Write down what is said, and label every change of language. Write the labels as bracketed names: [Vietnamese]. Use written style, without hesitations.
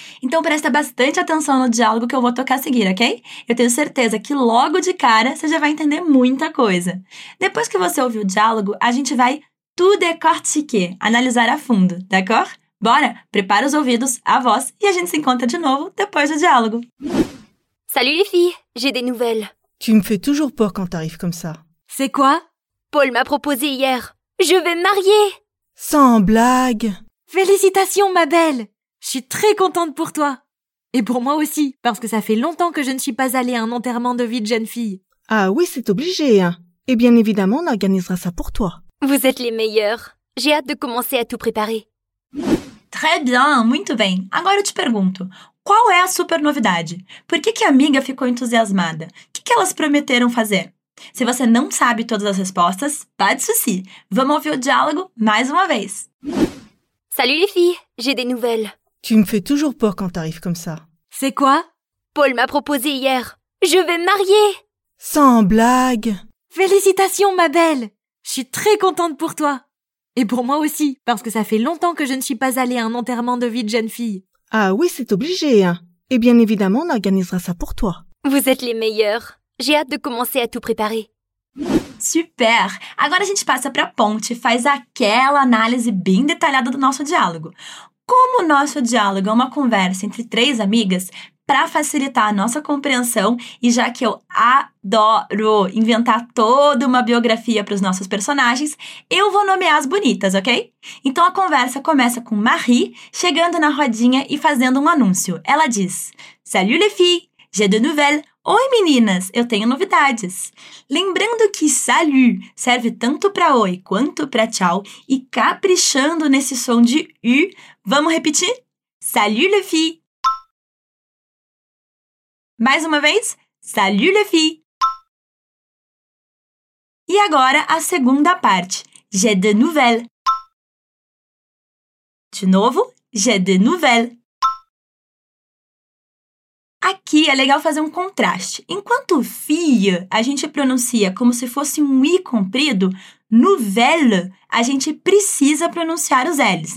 [Portuguese] Então presta bastante atenção no diálogo que eu vou tocar a seguir, ok? Eu tenho certeza que logo de cara você já vai entender muita coisa. Depois que você ouvir o diálogo, a gente vai [French] tout décortiquer, [Portuguese] analisar a fundo, [French] d'accord? [Portuguese] Bora, prepara os ouvidos, a voz e a gente se encontra de novo depois do diálogo. [French] Salut les filles, j'ai des nouvelles. Tu me fais toujours peur quand t'arrives comme ça. C'est quoi? Paul m'a proposé hier. Je vais me marier. Sans blague. Félicitations, ma belle. Je suis très contente pour toi. Et pour moi aussi, parce que ça fait longtemps que je ne suis pas allée à un enterrement de vie de jeune fille. Ah oui, c'est obligé, hein. Et bien évidemment, on organisera ça pour toi. Vous êtes les meilleurs. J'ai hâte de commencer à tout préparer. Très bien, [Portuguese] muito bem. Agora eu te pergunto, qual é a super novidade? Por que a amiga ficou entusiasmada? O que elas prometeram fazer? Se você não sabe todas as respostas, [French] pas de souci. [Portuguese] Vamos ouvir o diálogo mais uma vez. [French] Salut les filles, j'ai des nouvelles. Tu me fais toujours peur quand t'arrives comme ça. C'est quoi? Paul m'a proposé hier. Je vais me marier. Sans blague. Félicitations, ma belle. Je suis très contente pour toi. Et pour moi aussi, parce que ça fait longtemps que je ne suis pas allée à un enterrement de vie de jeune fille. Ah oui, c'est obligé, hein. Et bien évidemment, on organisera ça pour toi. Vous êtes les meilleurs. J'ai hâte de commencer à tout préparer. [Portuguese] Super! Agora a gente passa para a ponte e faz aquela análise bem detalhada do nosso diálogo. Como o nosso diálogo é uma conversa entre três amigas, para facilitar a nossa compreensão, e já que eu adoro inventar toda uma biografia para os nossos personagens, eu vou nomear as bonitas, ok? Então a conversa começa com Marie chegando na rodinha e fazendo um anúncio. Ela diz: [French] Salut les filles! J'ai de nouvelles. [Portuguese] Oi, meninas, eu tenho novidades. Lembrando que salut serve tanto para oi quanto para tchau e caprichando nesse som de u, vamos repetir? [French] Salut les filles. [Portuguese] Mais uma vez, [French] salut les filles. [Portuguese] E agora a segunda parte. [French] J'ai de nouvelles. [Portuguese] De novo, [French] j'ai de nouvelles. [Portuguese] Aqui é legal fazer um contraste. Enquanto fille a gente pronuncia como se fosse um i comprido, nouvelle a gente precisa pronunciar os L's.